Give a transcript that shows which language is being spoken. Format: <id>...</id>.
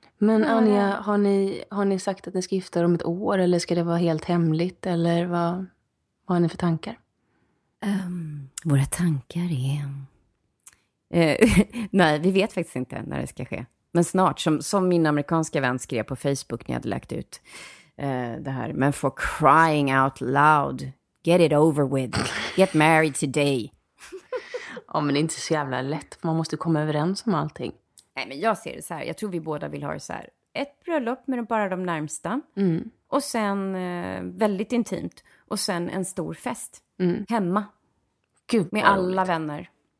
<sv>Men Anja, har ni sagt att ni ska gifta om ett år? Eller ska det vara helt hemligt? Eller vad har ni för tankar? Våra tankar är... nej, vi vet faktiskt inte när det ska ske. Men snart, som min amerikanska vän skrev på Facebook när jag hade lagt ut... det här, men</sv> <en>for crying out loud, get it over with, get married today.</en> <sv>men det är inte så jävla lätt, man måste komma överens om allting. Nej, men jag ser det så här, jag tror vi båda vill ha det så här ett bröllop med bara de närmsta. Mm. Och sen väldigt intimt. Och sen en stor fest. Mm. Hemma. Gud, med alla roligt. Vänner.</sv>